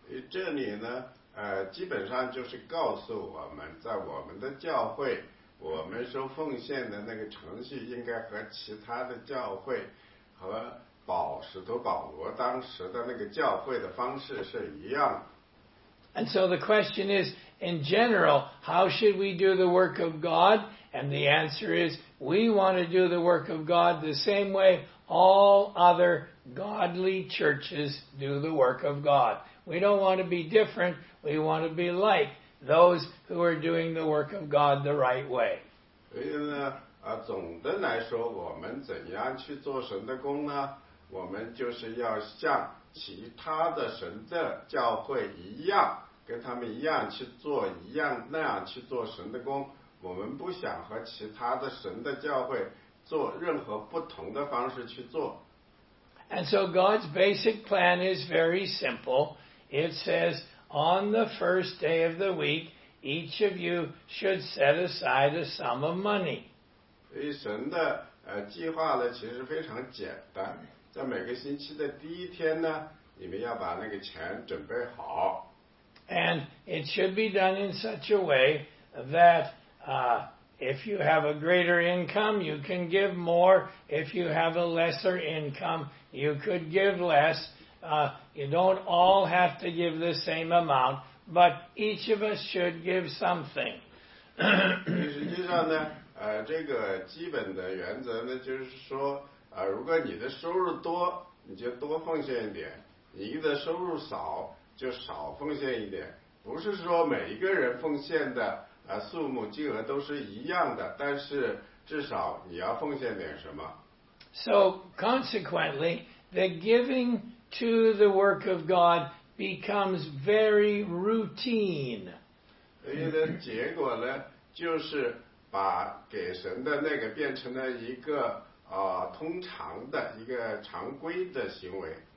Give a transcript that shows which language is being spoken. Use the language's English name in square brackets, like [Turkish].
[Chinese] 这里呢，基本上就是告诉我们，在我们的教会，我们收奉献的那个程序应该和其他的教会和使徒保罗当时的那个教会的方式是一样的。 [English] And so the question is, in general, how should we do the work of God? And the answer is, we want to do the work of God the same way all other godly churches do the work of God. We don't want to be different. We want to be like those who are doing the work of God the right way. [Chinese] 所以呢，总的来说，我们怎样去做神的工呢？我们就是要像其他的神的教会一样，跟他们一样去做，一样那样去做神的工。我们不想和其他的神的教会做任何不同的方式去做。 [English] And so God's basic plan is very simple. It says, on the first day of the week, each of you should set aside a sum of money. [Chinese] 所以神的计划呢，其实非常简单。在每个星期的第一天呢，你们要把那个钱准备好。 [English] And it should be done in such a way that if you have a greater income, you can give more. If you have a lesser income, you could give less. You don't all have to give the same amount, but each of us should give something. [Chinese] 实际上呢，这个基本的原则呢，就是说，如果你的收入多，你就多奉献一点；你的收入少，就少奉献一点。不是说每一个人奉献的数目金额都是一样的，但是至少你要奉献点什么。 [English] So consequently, the giving to the work of God becomes very routine. [Chinese] 所以的结果呢，就是把给神的那个变成了一个通常的一个常规的行为。